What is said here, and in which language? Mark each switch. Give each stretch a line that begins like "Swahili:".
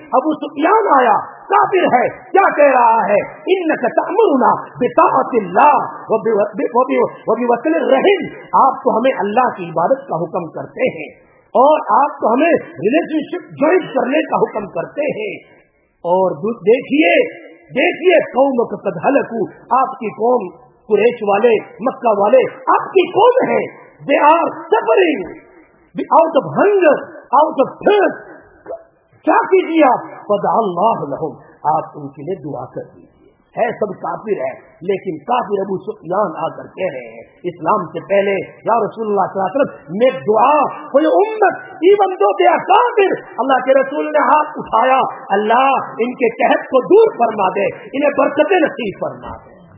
Urdu: ابو سفیان آیا، کافر ہے، کیا کہہ رہا ہے؟
Arabic: انک تامرنا بطاعت اللہ وبوصل الرحم،
Urdu: آپ تو ہمیں اللہ کی عبادت کا حکم کرتے ہیں اور آپ تو ہمیں
English: relationship join
Urdu: کرنے کا حکم کرتے ہیں. اور دیکھیے دیکھیے
Arabic: قوم قد ہلکو،
Urdu: آپ کی قوم قریش والے، مکہ والے، آپ کی قوم ہے.
English: They are suffering out of hunger, out of thirst.
Urdu: کیا کیجیے آپ؟
Arabic: فدع اللہ لہم،
Urdu: آپ ان کے لیے دعا کر دیجیے. ہے سب کافر ہے، لیکن کافر ابو سفیان آ کر کہہ رہے ہیں اسلام سے پہلے یا رسول اللہ صلی اللہ علیہ وسلم میں دعا کوئی امت ایون دو دیا کافر. اللہ کے رسول نے ہاتھ اٹھایا، اللہ ان کے قحط کو دور فرما دے، انہیں برکتیں نصیب فرما دے.